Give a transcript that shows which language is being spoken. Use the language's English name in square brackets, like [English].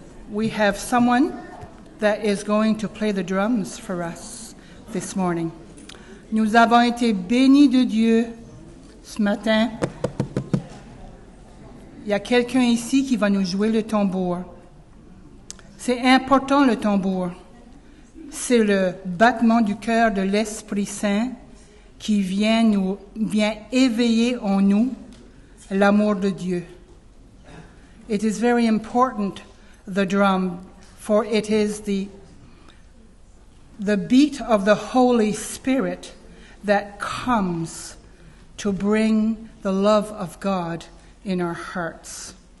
[English] We have someone that is going to play the drums for us this morning. [French] Nous avons été bénis de Dieu ce matin. Il y a quelqu'un ici qui va nous jouer le tambour. C'est important le tambour. C'est le battement du cœur de l'Esprit Saint qui vient éveiller en nous l'amour de Dieu. [English] It is very important, the drum, for it is the beat of the Holy Spirit that comes to bring the love of God in our hearts.